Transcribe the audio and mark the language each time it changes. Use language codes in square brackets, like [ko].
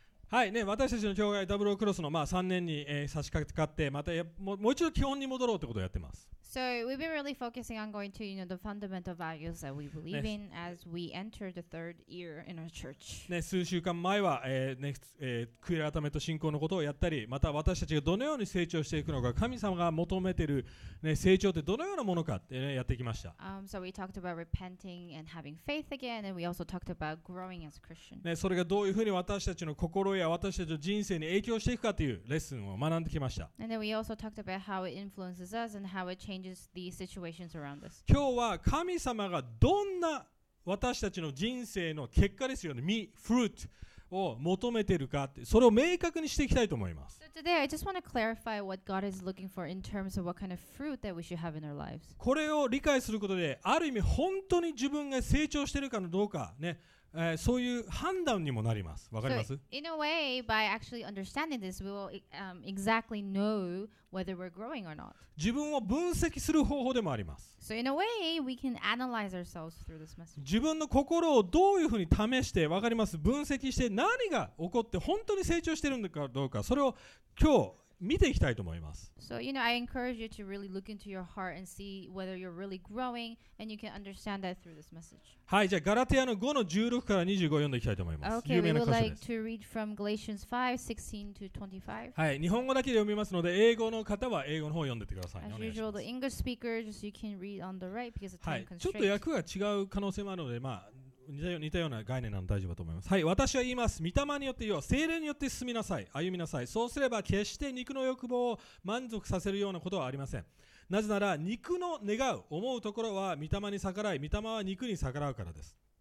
[ja] はいね、私たちの教会ダブルクロスの、まあ、3年に、差し掛かってまたもう一度基本に戻ろうということをやってます。 [en] So we've been really focusing on going to you know, the fundamental values that we believe in as we enter the third year in our church. [ja] ね、数週間前は、悔い改めと信仰のことをやったり、また私たちがどのように成長していくのか、神様が求めている、ね、成長ってどのようなものかって、ね、やってきました。 [en] So we talked about repenting and having faith again, and we also talked about growing as a Christian. [ja] ね、それがどういうふうに私たちの心や私たちの人生に影響していくかというレッスンを学んできました。 [en] And then we also talked about how it influences us and how it changes the situations around us. [ja] 今日は神様がどんな私たちの人生の結果ですよね、実、フルーツを求めているかって、それを明確にしていきたいと思います。 [en] So today I just want to clarify what God is looking for in terms of what kind of fruit that we should have in our lives. [ja] これを理解することで、ある意味本当に自分が成長しているかのどうかね。そういう判断にもなります。わかります？ [en] So, in a way, by actually understanding this, we will exactly know whether we're growing or not. [ja] 自分を分析する方法でもあります。 [en] So in a way, we can analyze ourselves through this message. [ja] 自分の心をどういうふうに試して、わかります？分析して何が起こって本当に成長してるのかどうか、それを今日見ていきたいと思います。 [en] So, you know, I encourage you to really look into your heart and see whether you're really growing and you can understand that through this message. [ja] はい、じゃあガラテヤの5の16から25を読んでいきたいと思います。 [en] Okay, [ja] 有名な箇所です。 [en] We would like to read from Galatians 5, 16 to 25. [ja] はい、日本語だけで読みますので、英語の方は英語の方を読んでてください。 [en] As usual, the English speaker, just you can read on the right because of time constraints. [ja] はい、ちょっと訳が違う可能性もあるので、まあ、似たような概念なので大丈夫だと思います。はい、私は言います。御霊によって言おう。聖霊によって進みなさい。歩みなさい。そうすれば決して肉の欲望を満足させるようなことはありません。なぜなら肉の願う、思うところは御霊に逆らい、御霊は肉に逆らうからです。